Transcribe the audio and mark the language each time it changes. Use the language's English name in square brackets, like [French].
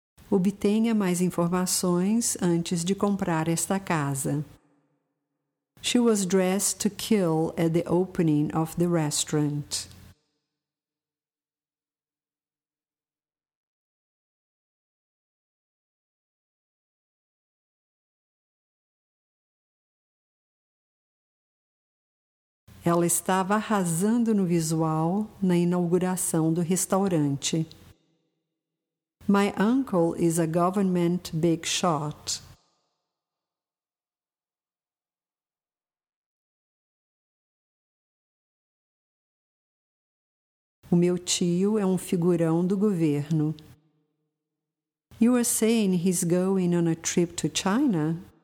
[Portuguese] Obtenha mais informações antes de comprar esta casa. [English] She was dressed to kill at the opening of the restaurant. [Portuguese] Ela estava arrasando no visual na inauguração do restaurante. [English] My uncle is a government big shot. [Portuguese] O meu tio é um figurão do governo. [English] You are saying he's going on a trip to China?